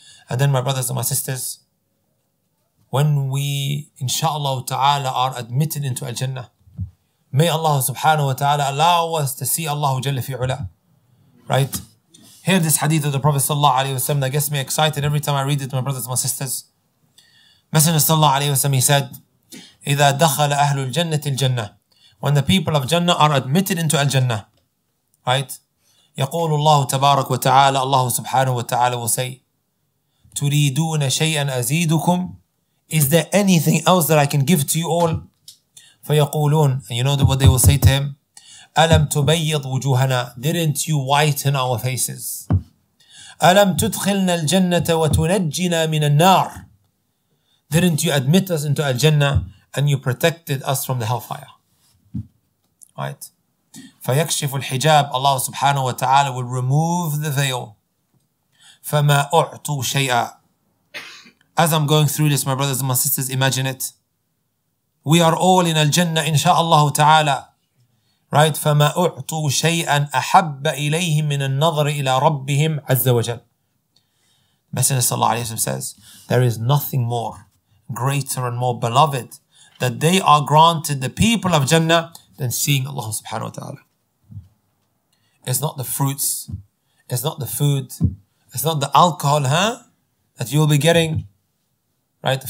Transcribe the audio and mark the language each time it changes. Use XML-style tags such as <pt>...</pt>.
<en>And then my brothers and my sisters, when we, inshaAllah ta'ala, are admitted into Al-Jannah, may Allah subhanahu wa ta'ala allow us to see Allah Jalla fi'ula. Right? Hear this hadith of the Prophet sallallahu alayhi wa sallam that gets me excited every time I read it, my brothers and my sisters. Messenger sallallahu alayhi wa sallam, he said,</en> <ar>إِذَا دَخَلَ أَهْلُ الْجَنَّةِ الْجَنَّةِ.</ar> <en>When the people of Jannah are admitted into Al-Jannah, right?</en> <ar>يقول الله تبارك وتعالى الله سبحانه وتعالى</ar> <en>will say</en> <ar>تريدون شيئا أزيدكم.</ar> <en>Is there anything else that I can give to you all?</en> <ar>فيقولون,</ar> <en>and you know what they will say to him,</en> <ar>ألم تبيض وجوهنا,</ar> <en>didn't you whiten our faces?</en> <ar>ألم تدخلنا الجنة وتنجينا من النار,</ar> <en>didn't you admit us into al-jannah and you protected us from the hellfire? Right?</en> <ar>فيكشف الحجاب,</ar> <en>Allah subhanahu wa ta'ala will remove the veil.</en> <ar>فما أعطوا شيئا.</ar> <en>As I'm going through this, my brothers and my sisters, imagine it. We are all in al-jannah, insha'Allah ta'ala. Right?</en> <ar>فما أعطوا شيئا أحب إليهم من النظر إلى ربهم عز وجل.</ar> <en>Messenger sallallahu alayhi wa sallam says, there is nothing more greater and more beloved that they are granted, the people of Jannah, than seeing Allah subhanahu wa ta'ala. It's not the fruits, it's not the food, it's not the alcohol, huh, that you will be getting, right?</en>